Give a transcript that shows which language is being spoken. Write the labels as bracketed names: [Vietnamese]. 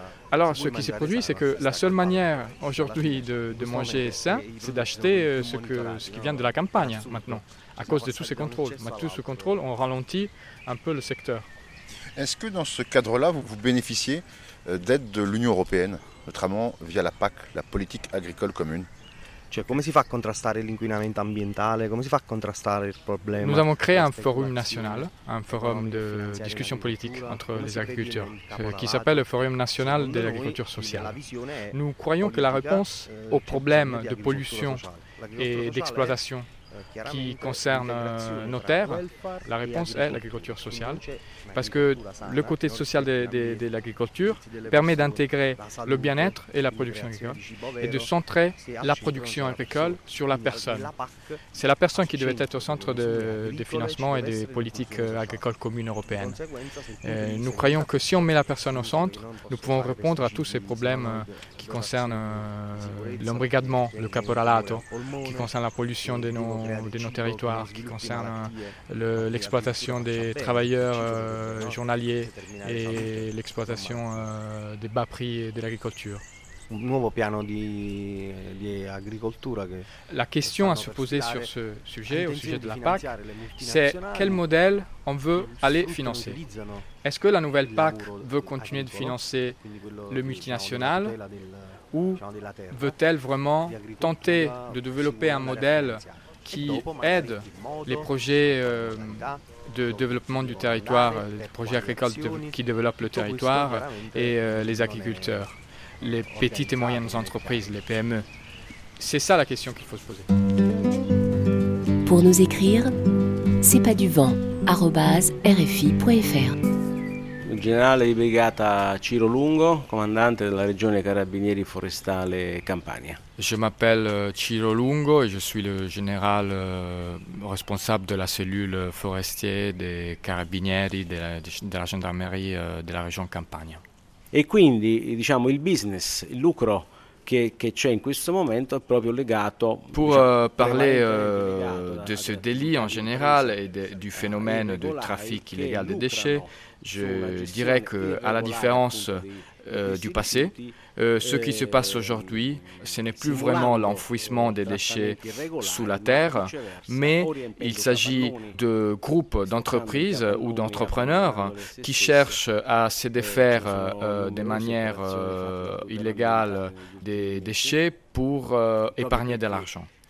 [French] Alors, ce qui s'est produit, c'est que la seule manière aujourd'hui de manger sain, c'est d'acheter ce qui vient de la campagne maintenant, à cause de tous ces contrôles. Mais tous ces contrôles ont ralenti un peu le secteur. Est-ce que dans ce cadre-là, vous bénéficiez d'aide de l'Union européenne, notamment via la PAC, la politique agricole commune? [Italian] Cioè, come si fa a contrastare l'inquinamento ambientale? Come si fa a contrastare il problema? [French] Nous avons créé un forum national, un forum de discussion politique entre les agriculteurs, qui s'appelle le Forum national de l'agriculture sociale. Nous croyons que la réponse au problème de pollution et d'exploitation qui concerne nos terres, la réponse est l'agriculture sociale, parce que le côté social de l'agriculture permet d'intégrer le bien-être et la production agricole et de centrer la production agricole sur la personne. C'est la personne qui devait être au centre des financements et des politiques agricoles communes européennes. Et nous croyons que si on met la personne au centre, nous pouvons répondre à tous ces problèmes qui concernent l'embrigadement, le caporalato, qui concerne la pollution de nos territoires, qui concerne l'exploitation des travailleurs journaliers et l'exploitation des bas prix de l'agriculture. [Italian] Un nuovo piano di agricoltura che [French] la question à se poser sur ce sujet, au sujet de la PAC, c'est quel modèle on veut aller financer. Est-ce que la nouvelle PAC veut continuer de financer le multinational ou veut-elle vraiment tenter de développer un modèle qui aide les projets de développement du territoire, les projets agricoles qui développent le territoire et les agriculteurs, les petites et moyennes entreprises, les PME. C'est ça la question qu'il faut se poser. Pour nous écrire, c'est pas du vent. info@rfi.fr. [Italian] Il generale di brigata Ciro Lungo, comandante della regione Carabinieri Forestale Campania. [French] Je m'appelle Ciro Lungo et je suis le général responsable de la cellule forestière des Carabinieri della gendarmerie [Italian] della regione Campania. E quindi, diciamo, il business, il lucro che c'è in questo momento è proprio legato... [French] Pour parler de ce délit en général et du phénomène de trafic illégal des déchets, je dirais que, à la différence du passé, ce qui se passe aujourd'hui, ce n'est plus vraiment l'enfouissement des déchets sous la terre, mais il s'agit de groupes d'entreprises ou d'entrepreneurs qui cherchent à se défaire de manière illégale des déchets pour épargner de l'argent.